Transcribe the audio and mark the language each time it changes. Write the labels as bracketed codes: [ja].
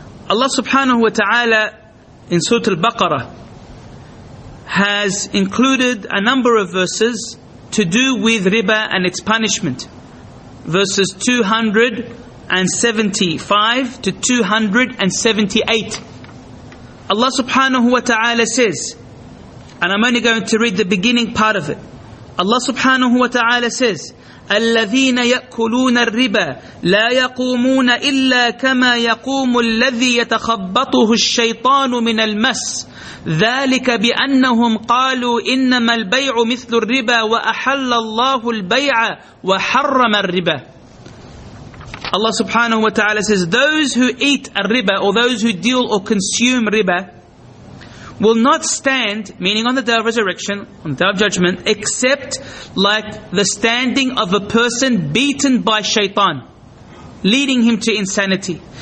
[en] Allah subhanahu wa ta'ala in Surah Al-Baqarah has included a number of verses to do with riba and its punishment. Verses 275 to 278. Allah subhanahu wa ta'ala says, and I'm only going to read the beginning part of it. Allah subhanahu wa ta'ala says, [ar] الَّذِينَ يَأْكُلُونَ الرِّبَى لَا يَقُومُونَ إِلَّا كَمَا يَقُومُ الَّذِي يَتَخَبَّطُهُ الشَّيْطَانُ مِنَ الْمَسِ ذَلِكَ بِأَنَّهُمْ قَالُوا إِنَّمَا الْبَيْعُ مِثْلُ الرِّبَى وَأَحَلَّ اللَّهُ الْبَيْعَ وَحَرَّمَ الرِّبَى. [en] Allah subhanahu wa ta'ala says, those who eat a riba, or those who deal or consume riba, will not stand, meaning on the day of resurrection, on the day of judgment, except like the standing of a person beaten by shaitan, leading him to insanity.